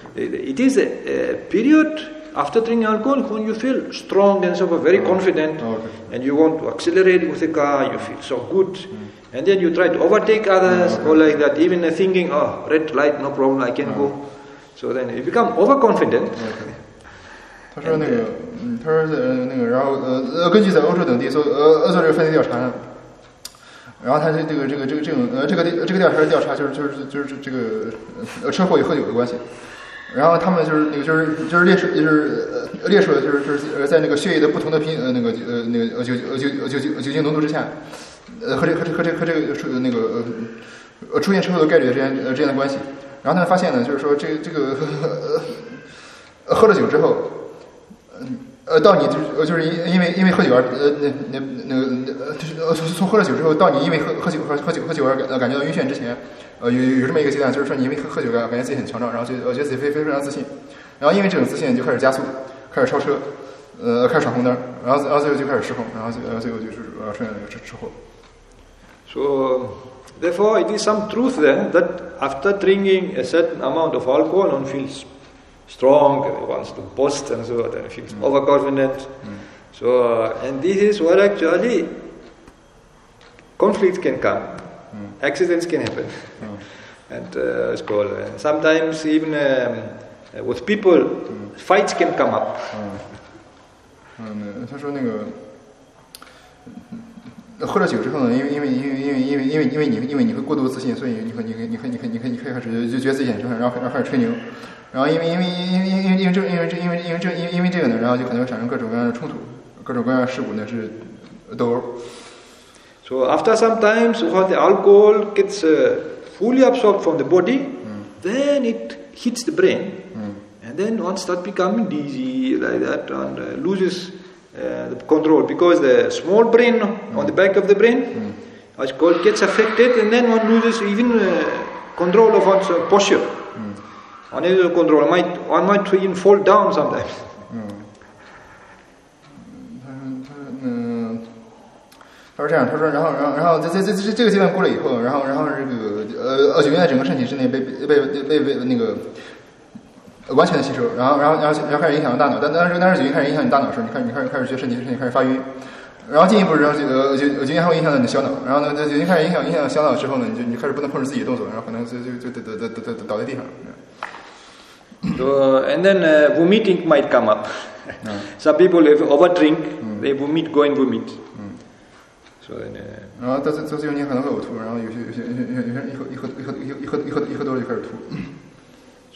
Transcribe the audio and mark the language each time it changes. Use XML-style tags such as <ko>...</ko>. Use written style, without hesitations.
<en>It is a period after drinking alcohol when you feel strong and so very confident and you want to accelerate with the car, you feel so good and then you try to overtake others or like that, even thinking, oh, red light, no problem, I can go. So then you become overconfident.</en> <zh>他说然后根据在欧洲等地做这个分析调查，然后他这个调查的调查就是这个车祸与喝酒的关系，然后他们列出了在那个血液的不同的酒精浓度之下，和这个出现车祸的概率之间的关系，然后他们发现呢，就是说这个喝了酒之后。到你就是因为喝酒而就是从喝了酒之后到你因为喝酒而感觉到晕眩之前，有这么一个阶段，就是说你因为喝酒感觉自己很强壮，然后觉得自己非常自信，然后因为这种自信就开始加速，开始超车，开始闯红灯，然后最后就开始失控，然后最后就是出现了车祸。</zh> <en>So therefore, it is some truth then that after drinking a certain amount of alcohol, one feels. Strong, wants to boast and so on, feels overconfident. So, and this is what actually conflicts can come, accidents can happen. And it's called sometimes even with people, fights can come up.</en> <zh>他说那个喝了酒之后呢，因为你会过度自信，所以你开始就觉得自己很强，然后开始吹牛。然后因为这个呢，然后就可能产生各种各样的冲突，各种各样的事故呢是斗殴。</zh> <en>So after some times, when the alcohol gets fully absorbed from the body, then it hits the brain, and then one starts becoming dizzy like that and loses the control because the small brain on the back of the brain, as called, gets affected, and then one loses even control of one's posture. One is control. One might even fall down sometimes.</en> <zh>他说这样。他说，然后在这个阶段过了以后，然后这个酒精在整个身体之内被那个完全的吸收，然后开始影响大脑。但是酒精开始影响你大脑的时候，你开始觉得身体开始发晕，然后进一步让酒精还会影响到你的小脑。然后呢，酒精开始影响小脑之后呢，你开始不能控制自己的动作，然后可能就倒在地上。</zh> <en>So, and then vomiting might come up. Some people if over drink, they vomit, go and vomit. So then.</en> <zh>然后这就你可能会呕吐，然后有些人一喝多了就开始吐。</zh>